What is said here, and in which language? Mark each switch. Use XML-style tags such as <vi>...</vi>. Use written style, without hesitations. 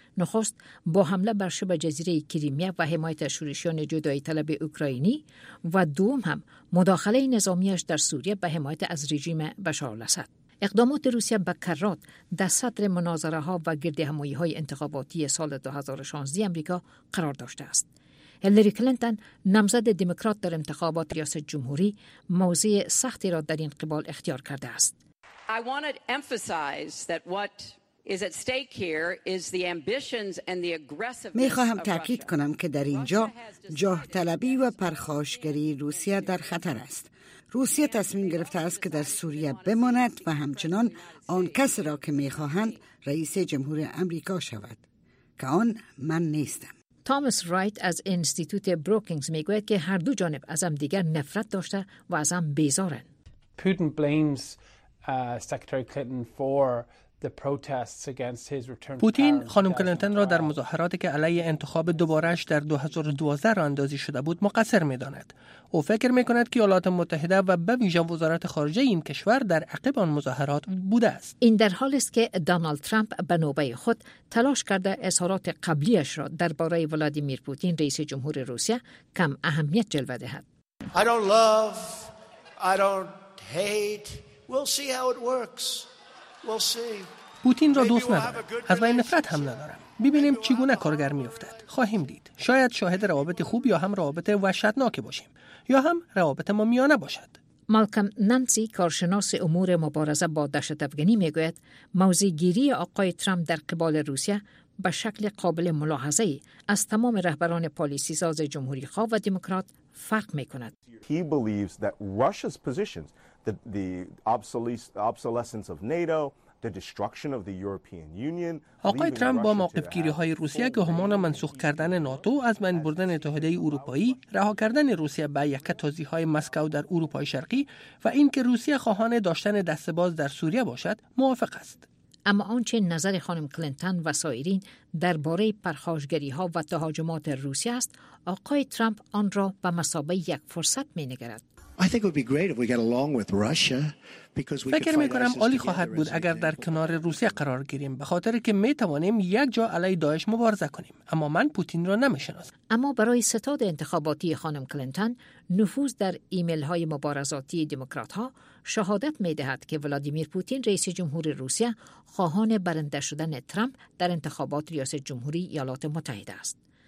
<fa>نخست با حمله بر شبه جزیره کریمیه و حمایت شورشیان جدایی طلب اوکراینی و دوم هم مداخله نظامیش در سوریه به حمایت از رژیم بشار الاسد. اقدامات روسیه به کرات در صدر مناظره ها و گرد همایی های انتخاباتی سال 2016 امریکا قرار داشته است. هیلری کلینتون نامزد دموکرات در انتخابات ریاست جمهوری موضع سختی را در این قبال اختیار کرده است.</fa> <en>I want to emphasize that what is at stake here is the ambitions and the aggressiveness.</en> <fa>می خواهم تاکید کنم که در اینجا جاه طلبی و پرخاشگری روسیه در خطر است. روسیه تصمیم گرفته است که در سوریه بماند و همچنان آن کسی را که می خواهند رئیس جمهور آمریکا شود، که آن من نیستم. تامس رایت از انستیتوت بروکینگز می گوید که هر دو جانب از هم دیگر نفرت داشته و از هم بیزارند.</fa> <en>Putin blames Secretary Clinton for the protests against his return.</en> <fa>پوتین خانم کلینتون را در مظاهراتی که علیه انتخاب دوبارهش در 2012 راه‌اندازی شده بود مقصر می‌داند. او فکر می‌کند که ایالات متحده و به ویژه وزارت خارجه این کشور در عقب آن مظاهرات بوده است. این در حالی است که دونالد ترامپ به نوبه خود تلاش کرده اظهارات قبلیش را درباره ولادیمیر پوتین رئیس جمهور روسیه کم اهمیت جلوه دهد.</fa> <en>I don't love. I don't hate. We'll see how it works. We'll see.</en> <fa>پوتین را دوست ندارم. از بین نفرت هم ندارم. ببینیم چگونه کارگر میافتد. خواهیم دید. شاید شاهد روابط خوب یا هم روابط وحشتناک باشیم. یا هم روابط ما میانه باشد. مالکم نانسی کارشناس امور مبارزه با دهشت افغانی میگوید موضع گیری آقای ترامپ در قبال روسیه به شکل قابل ملاحظه ای از تمام رهبران پالیسی ساز جمهوری خواه و دموکرات فرق میکند.</fa> <en>He believes that Russia's positions, the obsolescence of NATO, the destruction of the European Union.</en> <fa>آقای ترامپ با موقف‌گیری‌های روسیه که همان منسوخ کردن ناتو، از بین بردن اتحادیه اروپایی، رها کردن روسیه به یکه تازی‌های مسکو در اروپای شرقی و اینکه روسیه خواهان داشتن دستباز در سوریه باشد، موافق است. اما آنچه نظر خانم کلینتون و سایرین درباره پرخاشگری‌ها و تهاجمات روسیه است، آقای ترامپ آن را به مثابه یک فرصت می‌نگرد.</fa> <en>I think it would be great if we get along with Russia because we</en> <fa>فکر می‌کنم عالی خواهد بود اگر در کنار روسیه قرار گیریم، به خاطر که می‌توانیم یک جا علیه داعش مبارزه کنیم. اما من پوتین را نمی‌شناسم. اما برای ستاد انتخاباتی خانم کلینتون، نفوذ در ایمیل‌های مبارزاتی دموکرات‌ها شهادت می‌دهد که ولادیمیر پوتین رئیس جمهور روسیه خواهان برنده شدن ترامپ در انتخابات ریاست جمهوری ایالات متحده است.</fa>